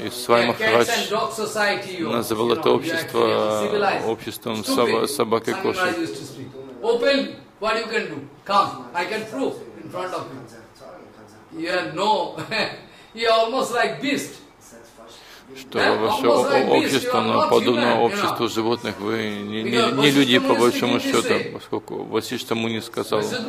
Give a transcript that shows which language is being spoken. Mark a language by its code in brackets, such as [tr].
[ru] И Свами Махарадж называл это общество обществом собак и кошек. [en] Open, what you can do? Come, I can prove in front of you. You are no, you are almost like beast. [ru] Что ваше общество, оно подобно обществу животных, вы не люди по большому счету, поскольку Васишта Муни сказал.